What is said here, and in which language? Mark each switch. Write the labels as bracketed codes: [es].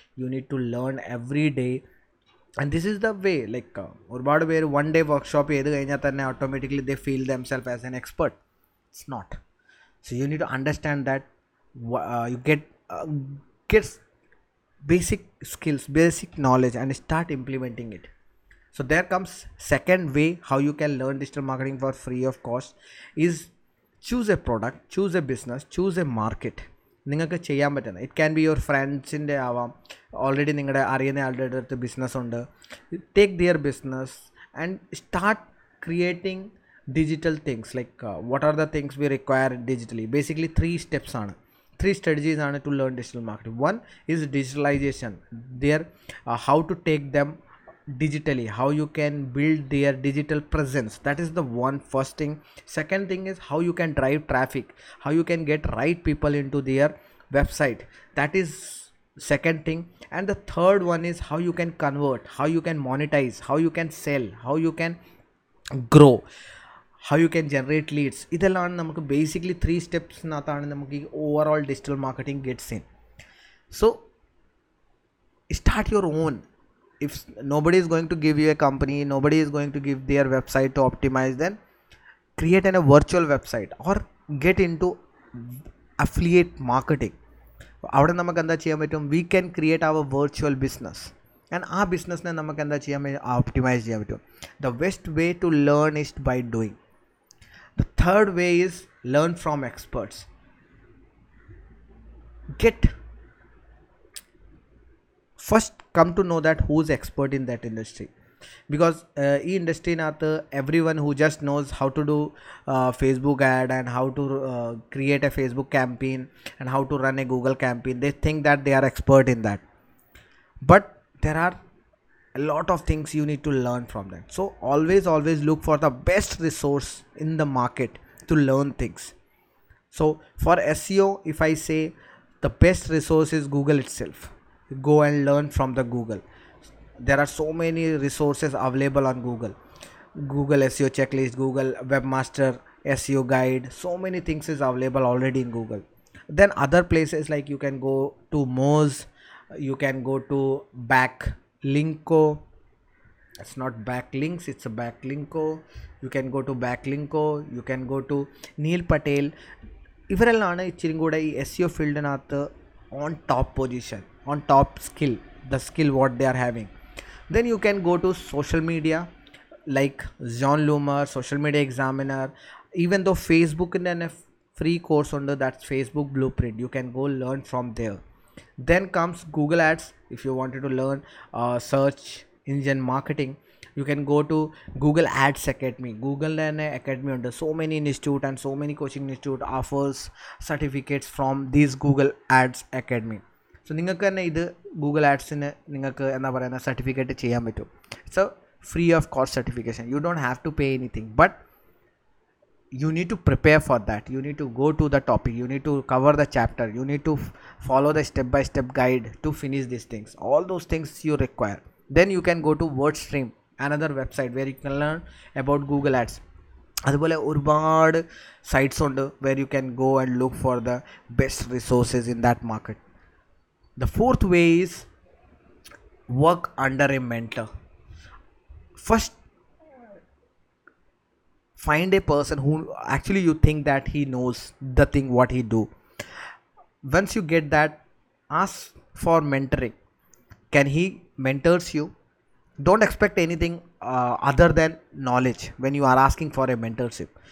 [en] You need to learn every day, and this is the way. Like [ml] ഒരുപാട് പേര് [en] one day workshop [ml] ചെയ്ത് കഴിഞ്ഞാൽ തന്നെ [en] Automatically they feel them self as an expert. It's not. So you need to understand that you get basic skills, basic knowledge, and start implementing it. So there comes second way how you can learn digital marketing for free of cost is choose a product, choose a business, choose a market. [ml] നിങ്ങൾക്ക് ചെയ്യാൻ പറ്റുന്ന, [en] it can be your ഫ്രണ്ട്സിൻ്റെ ആവാം, already [ml] നിങ്ങളുടെ അറിയുന്ന ആളുടെ അടുത്ത് business ഉണ്ട്, [en] Take their business and start creating digital things. Like what are the things we require digitally? Basically 3 steps ആണ്, 3 strategies are to learn digital marketing. One is digitalization, there how to take them digitally, how you can build their digital presence. That is the one first thing. Second thing is how you can drive traffic, how you can get right people into their website. That is second thing. And the third one is how you can convert, how you can monetize, how you can sell, how you can grow, how you can generate leads. [ml] ഇതെല്ലാം നമുക്ക് basically 3 സ്റ്റെപ്സിനകത്താണ് നമുക്ക് ഈ [en] Overall digital marketing gets in. So start your own. If nobody is going to give you a company, nobody is going to give their website to optimize, then create an a virtual website or get in to affiliate marketing. [ml] അവിടെ നമുക്ക് എന്താ ചെയ്യാൻ പറ്റും? [en] We can create our virtual business. And our business [ml] na namak enda cheyam optimize cheyabattu. [en] The best way to learn is by doing. The third way is learn from experts. Get first come to know that who's expert in that industry. Because [ml] ഈ ഇൻഡസ്ട്രീനകത്ത് [en] Everyone who just knows how to do Facebook ad and how to create a Facebook campaign and how to run a Google campaign they think that they are expert in that but there are a lot of things you need to learn from that so always always look for the best resource in the market to learn things so for SEO if I say the best resource is Google itself go and learn from the Google There are so many resources available on Google. Google SEO checklist, Google Webmaster SEO guide, so many things is available already in Google. Then other places like you can go to Moz, you can go to Backlinko. It's not Backlinks, it's a Backlinko. You can go to Backlinko, you can go to Neil Patel. [ml] ഇവരെല്ലാം ആണ് ഇച്ചിരി കൂടെ ഈ S CO ഫീൽഡിനകത്ത് [en] On top position on top skill the skill what they are having Then you can go to social media like John Loomer, Social Media Examiner, even though Facebook in a free course under that's Facebook Blueprint. You can go learn from there. Then comes Google Ads. If you wanted to learn search engine marketing, you can go to Google Ads Academy. Google Academy under so many institute and so many coaching institute offers certificates from these Google Ads Academy. So [ml] നിങ്ങൾക്ക് തന്നെ ഇത് Google ആഡ്സിന് നിങ്ങൾക്ക് എന്താ പറയുന്നത് certificate ചെയ്യാൻ പറ്റും [en] it's a free of cost certification you don't have to pay anything but you need to prepare for that you need to go to the topic you need to cover the chapter you need to follow the step by step guide to finish these things all those things you require then you can go to WordStream another website where you can learn about Google ads [ml] അതുപോലെ ഒരുപാട് sites ഉണ്ട് [en] Where you can go and look for the best resources in that market The fourth way is work under a mentor. First, find a person who actually you think that he knows the thing what he do. Once you get that, ask for mentoring. Can he mentors you? Don't expect anything other than knowledge when you are asking for a mentorship.